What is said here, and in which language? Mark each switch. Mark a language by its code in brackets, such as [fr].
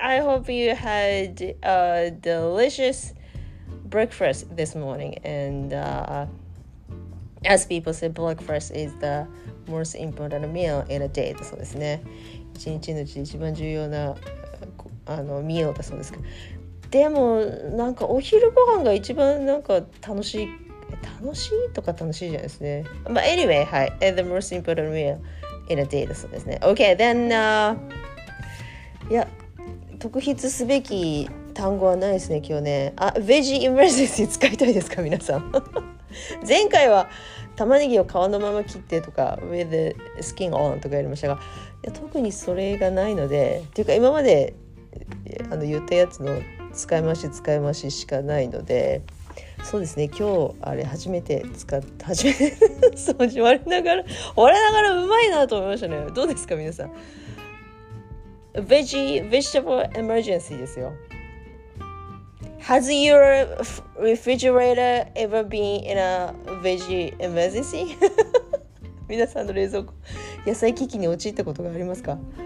[en] I hope you had a delicious breakfast this morning. And as people say, breakfast is the most important meal in a day. [ja] そうですね。一日のうち一番重要なミールだそうですけど。でも、なんかお昼ご飯が一番なんか楽しいじゃないですね。 [en] まあ、anyway, はい。And the most important meal. In a day [ja] だそうですね。 [en] Okay, then、 [ja] いや、特筆すべき単語はないですね、今日ね。あ、ベジーエムレジェンシー使いたいですか、皆さん。前回は玉ねぎを皮のまま切ってとか [en] With the skin on [ja] とかやりましたが、いや、特にそれがないので、っていうか今まで言ったやつの使い回ししかないので、そうですね、今日あれ初めて掃除割れながらうまいなと思いましたね。どうですか皆さん、vegetable emergency ですよ。 [en] Has your refrigerator ever been in a veggie emergency? [ja] 皆さんの冷蔵庫野菜危機に陥ったことがありますか。